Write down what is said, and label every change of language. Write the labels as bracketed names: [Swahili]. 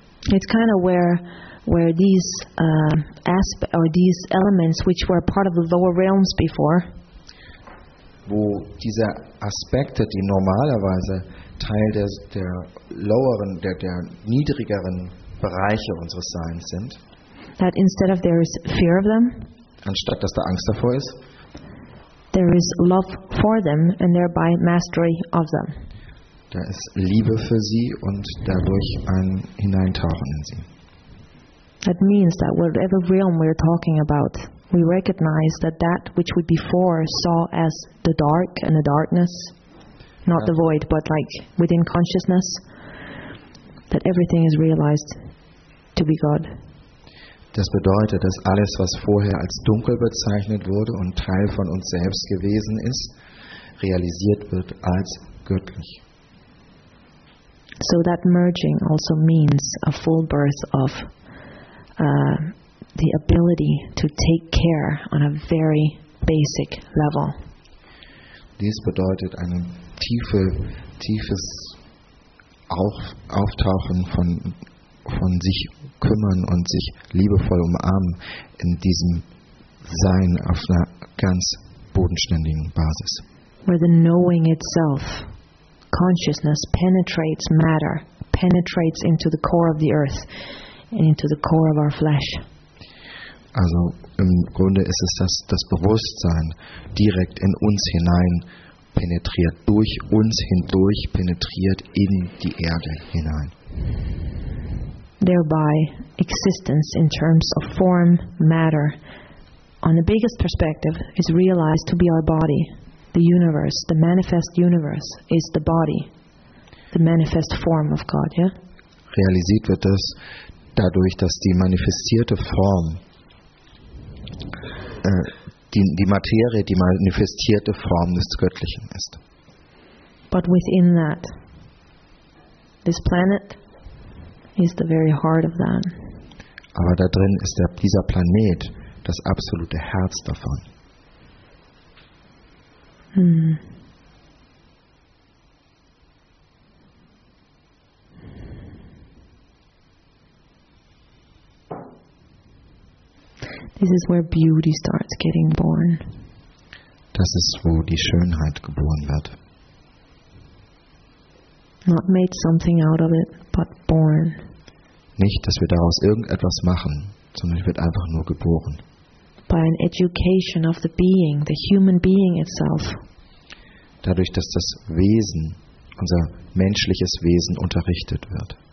[English] It's kind of where these aspects or these elements which were part of the lower realms before. [German] Wo diese Aspekte, die normalerweise Teil der niedrigeren Bereiche unseres Seins sind, [English] that instead of there is fear of them, [German] anstatt dass da Angst davor ist, [English] there is love for them and thereby mastery of them. [German] Da ist Liebe für sie und dadurch ein Hineintauchen in sie. [English] That means that whatever realm we are talking about, we recognize that that which we before saw as the dark and the darkness, not the void, but like within consciousness, that everything is realized to be God. [German] Das bedeutet, dass alles, was vorher als dunkel bezeichnet wurde und Teil von uns selbst gewesen ist, realisiert wird als göttlich. [English] So that merging also means a full birth of the ability to take care on a very basic level. [German] Dies bedeutet ein tiefes Auftauchen von sich kümmern und sich liebevoll umarmen in diesem Sein auf einer ganz bodenständigen Basis. [English] Where the knowing itself, consciousness penetrates matter, penetrates into the core of the earth and into the core of our flesh. [German] Also im Grunde ist es, dass das Bewusstsein direkt in uns hinein penetriert, durch uns hindurch penetriert in die Erde hinein. [English] Thereby existence in terms of form, matter, on the biggest perspective, is realized to be our body, the universe, the manifest universe is the body, the manifest form of God, yeah? [German] Realisiert wird das dadurch, dass die manifestierte Form die Materie, die manifestierte Form des Göttlichen ist. [English] But within that, this planet is the very heart of that. [German] Aber da drin ist dieser Planet das absolute Herz davon. [English] This is where beauty starts getting born. [German] Das ist, wo die Schönheit geboren wird. [English] Not made something out of it, but born. [German] Nicht, dass wir daraus irgendetwas machen, sondern es wird einfach nur geboren. [English] By an education of the being, the human being itself. [German] Dadurch, dass das Wesen, unser menschliches Wesen, unterrichtet wird.